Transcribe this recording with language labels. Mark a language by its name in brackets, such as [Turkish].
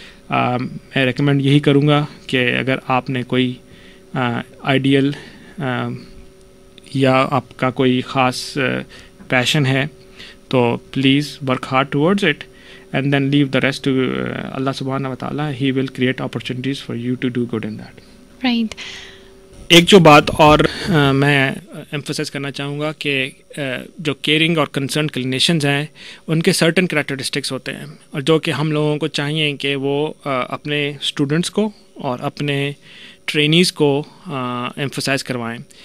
[Urdu] میں ریکمینڈ یہی کروں گا کہ اگر آپ نے کوئی آئیڈیل یا آپ کا کوئی خاص پیشن ہے تو [English] Please work hard towards it, and then leave the rest to Allah subhanahu wa ta'ala. He will create opportunities for you to do good in that. Right. [Urdu] ایک جو بات اور میں ایمفسائز کرنا چاہوں گا کہ جو کیئرنگ اور کنسرن کلینیشنز ہیں ان کے سرٹن کریکٹرسٹکس ہوتے ہیں, اور جو کہ ہم لوگوں کو چاہیے کہ وہ اپنے اسٹوڈنٹس کو اور اپنے ٹرینیز کو ایمفسائز کروائیں.